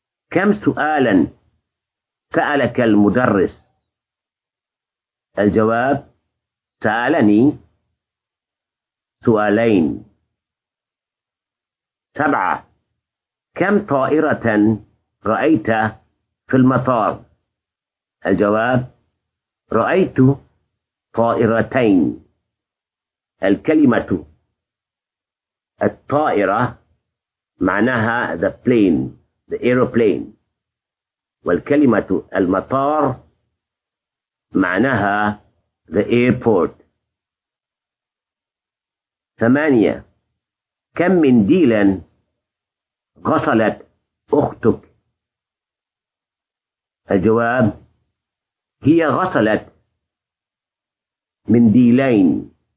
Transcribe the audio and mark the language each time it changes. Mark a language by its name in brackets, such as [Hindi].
[Arabic] كم سؤالا سألك المدرس؟ الجواب سألني سؤالين. سبعة. كم طائرة رأيت في المطار؟ الجواب رأيت طائرتين. الكلمة الطائرة معناها [English] the plane, the aeroplane. [Arabic] والكلمة المطار معناها [English] the airport. [Arabic] ثمانية. كم منديلا غسلت أختك؟ الجواب هي غسلت منديلين.